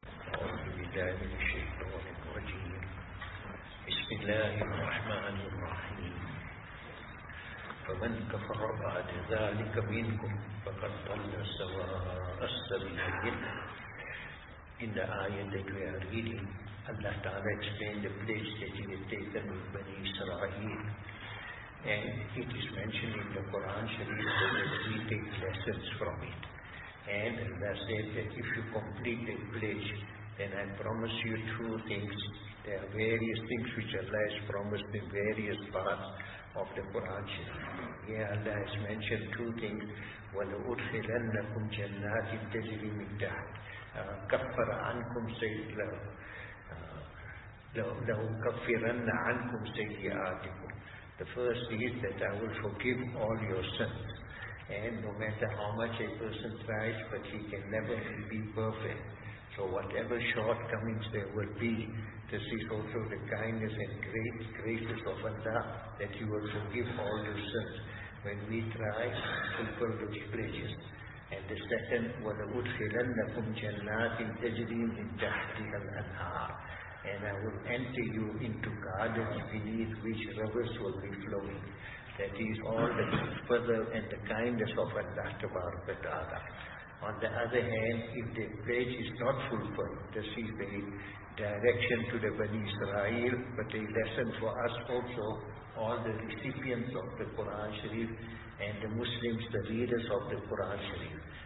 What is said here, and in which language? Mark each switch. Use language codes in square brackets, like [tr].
[ar] بالله من الشيطان الرجيم. بسم الله الرحمن الرحيم. فمن كفر بعد ذلك منكم فقد ضل سواء السبيل. [en] In the ayah that we are reading, Allah Ta'ala explained the place that He had taken with Bani Israel. And it is mentioned in the Quran Sharif that we take lessons from it. And Allah said that if you complete that pledge, then I promise you two things. There are various things which Allah has promised in various parts of the Quran Sharif. Here Allah has mentioned two things. [ar] وَلَأُدْخِلَنَّكُمْ جَنَّاتٍ تَجْرِي مِنْ تَحْتِهَا كَفَّرَ عَنْكُمْ سَيِّئَاتِكُمْ لَأُكَفِّرَنَّ عَنْكُمْ سَيِّئَاتِكُمْ. [en] The first is that I will forgive all your sins. And no matter how much a person tries, but he can never be perfect. So whatever shortcomings there will be, this is also the kindness and great graces of Allah that He will forgive all your sins when we try to fulfill those pledges. And the second, [ar] وَلَأُدْخِلَنَّكُمْ جَنَّاتٍ تَجْرِي مِنْ تَحْتِهَا الْأَنْهَارُ. [en] And I will enter you into gardens beneath which rivers will be flowing. That is all the further and the kindness of Allah Tabaraka Ta'ala. On the other hand, if the pledge is not fulfilled, this is the direction to the Bani Israel, but a lesson for us also, all the recipients of the Quran Sharif and the Muslims, the readers of the Quran Sharif.